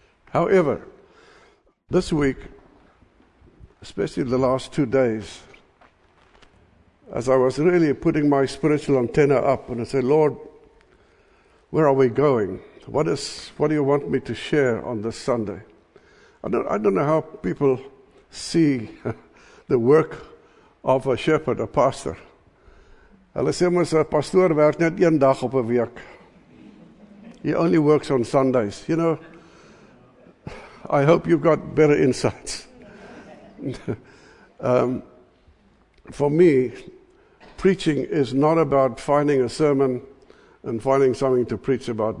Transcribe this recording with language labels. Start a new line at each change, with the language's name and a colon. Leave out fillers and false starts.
English: However, this week, especially the last 2 days, as I was really putting my spiritual antenna up and I said, Lord, where are we going? What do you want me to share on this Sunday? I don't know how people see the work of a shepherd, a pastor.
Afrikaans: Hulle sê mos 'n pastoor werk net een dag op 'n week.
English: He only works on Sundays. You know, I hope you've got better insights. For me, preaching is not about finding a sermon and finding something to preach about.